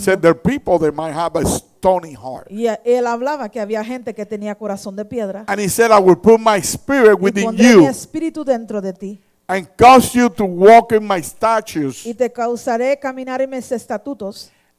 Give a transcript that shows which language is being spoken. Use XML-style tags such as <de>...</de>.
<en>He said there are people that might have a stony heart.</en> <es>Y él hablaba que había gente que tenía corazón de piedra.</es> <en>And he said I will put my spirit</en> <es>y</es> <en>within you.</en> <es>Pondré mi espíritu dentro de ti.</es> <en>And cause you to walk in my statutes.</en> <es>Y te causaré caminar en mis estatutos.</es>